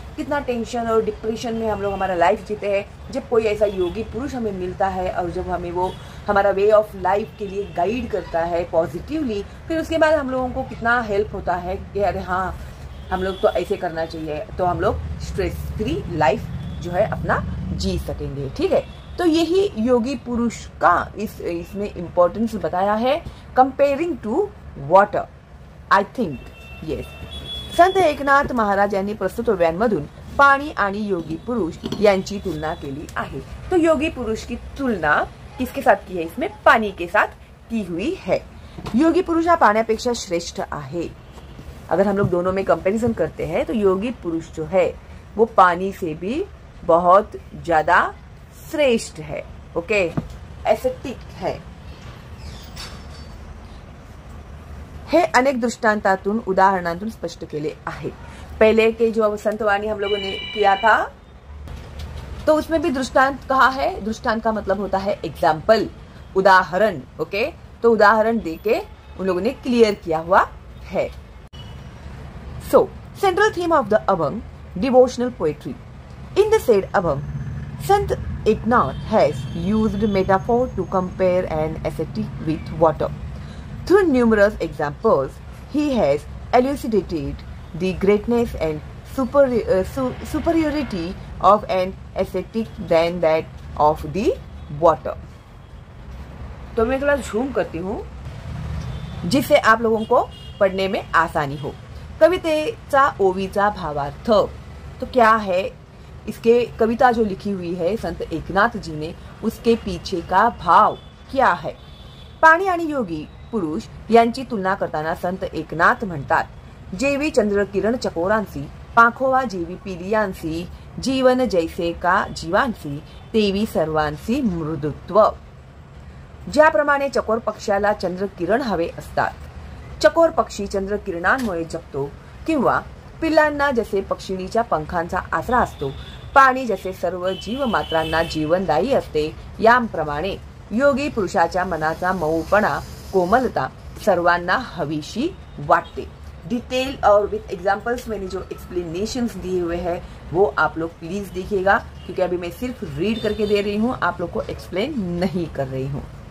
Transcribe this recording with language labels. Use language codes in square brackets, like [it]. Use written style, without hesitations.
[hi] कितना टेंशन और डिप्रेशन में हम लोग हमारा लाइफ जीते हैं, जब कोई ऐसा योगी पुरुष हमें मिलता है और जब हमें वो हमारा वे ऑफ लाइफ के लिए गाइड करता है पॉजिटिवली, फिर उसके बाद हम लोगों को कितना हेल्प होता है कि अरे हाँ हम लोग तो ऐसे करना चाहिए, तो हम लोग स्ट्रेस फ्री लाइफ जो है अपना जी सकेंगे, ठीक है। तो यही योगी पुरुष का इसमें इम्पोर्टेंस बताया है [en] Comparing to water, I think yes. [mr] संत एकनाथ महाराज यांनी प्रस्तुत व्यांमधून पाणी आणि योगी पुरुष यांची तुलना केली आहे। [hi] तो योगी पुरुष की तुलना किसके साथ की है, इसमें पाणी के साथ की हुई है। [mr] योगी पुरुष हा पाण्यापेक्षा श्रेष्ठ आहे। [hi] अगर हम लोग दोनों में कंपेरिजन करते हैं तो योगी पुरुष जो है वो पाणी से भी बहुत ज्यादा श्रेष्ठ है। ओके, एसेटिक है। [mr] हे अनेक दृष्टांतातून उदाहरणातून स्पष्ट केले आहे। [hi] पहले के जो संतवाणी हम लोगों ने किया था तो उसमें भी दृष्टांत कहा है। दृष्टांत का मतलब होता है एग्जाम्पल, उदाहरण। ओके, तो उदाहरण देके उन लोगों ने क्लियर किया हुआ है। [en] So central theme of the abhang devotional poetry. In the said abhang Sant Eknath has used metaphor to compare an ascetic with water. Through numerous examples, he has elucidated the greatness and superiority of an ascetic than that of the water. [hi] तो मैं थोड़ा zoom करती हूँ जिससे आप लोगों को पढ़ने में आसानी हो। [mr] कवितेचा ओवीचा भावार्थ [hi] तो क्या है, इसके कविता जो लिखी हुई है संत एकनाथ जी ने उसके पीछे का भाव क्या है। [mr] पाणी आणि योगी पुरुष यांची तुलना करताना संत एकनाथ म्हणतात, जेवी चंद्र किरण चकोरांसी, पाखोवा जेवी पिलियांसी, जीवन जैसे का जीवांसी, तेवी सर्वांसी मृदुत्व। ज्याप्रमाणे चकोर पक्षाला चंद्र किरण हवे असतात, चकोर पक्षी चंद्र किरणांमुळे जपतो, किंवा पिलांना जसे पक्षिणीच्या पंखांचा आसरा असतो, पाणी जसे सर्व जीव मात्रांना जीवनदायी असते, याप्रमाणे योगी पुरुषाच्या मनाचा मऊपणा कोमलता सर्वांना हवीशी वाटते। [hi] डिटेल और विथ एग्जाम्पल्स मैंने जो एक्सप्लेनेशंस दिए हुए हैं वो आप लोग प्लीज देखिएगा, क्योंकि अभी मैं सिर्फ रीड करके दे रही हूँ, आप लोग को एक्सप्लेन नहीं कर रही हूँ।